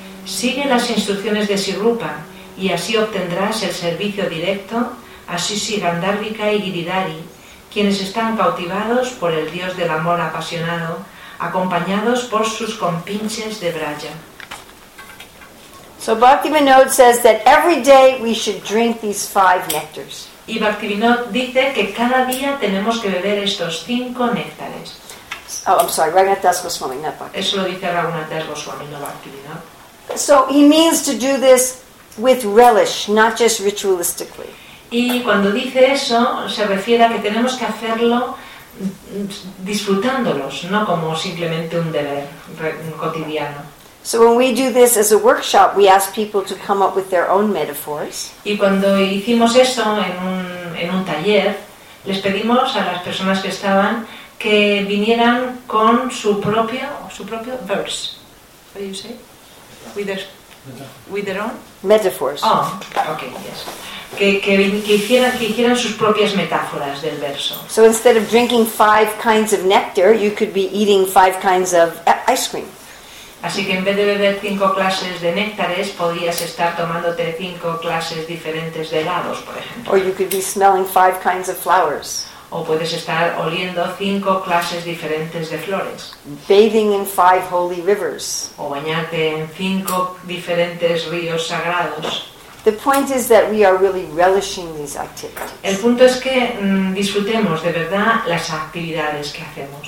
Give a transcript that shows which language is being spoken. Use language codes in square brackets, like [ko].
[es] Sigue las instrucciones de Sirupa y así obtendrás el servicio directo a Sisi Gandharvika y Giridhari, quienes están cautivados por el dios del amor apasionado, acompañados por sus compinches de Braya. [en] So Bhaktivinod says that every day we should drink these five nectars. [es] Y Bhaktivinod dice que cada día tenemos que beber estos cinco néctares. [en] Oh, I'm sorry, Raghunath Das Goswami, not Bhaktivinod. [es] Eso lo dice Raghunath Das Goswami, no Bhaktivinod. [en] So he means to do this with relish, not just ritualistically. [es] Y cuando dice eso, se refiere a que tenemos que hacerlo disfrutándolos, no como simplemente un deber cotidiano. [en] So when we do this as a workshop, we ask people to come up with their own metaphors. [es] Y cuando hicimos eso en un taller, les pedimos a las personas que estaban que vinieran con su propio verse. [en] What do you say? With their own? Metaphors. Oh, okay, yes. [es] Que hicieran sus propias metáforas del verso. [en] So instead of drinking five kinds of nectar, you could be eating five kinds of ice cream. [es] Así que en vez de beber cinco clases de néctares, podías estar tomándote cinco clases diferentes de helados, por ejemplo. [en] Or you could be smelling five kinds of flowers. [es] O puedes estar oliendo cinco clases diferentes de flores. [en] Bathing in five holy rivers. [es] O bañarte en cinco diferentes ríos sagrados. [en] The point is that we are really relishing these activities. [es] El punto es que disfrutemos de verdad las actividades que hacemos.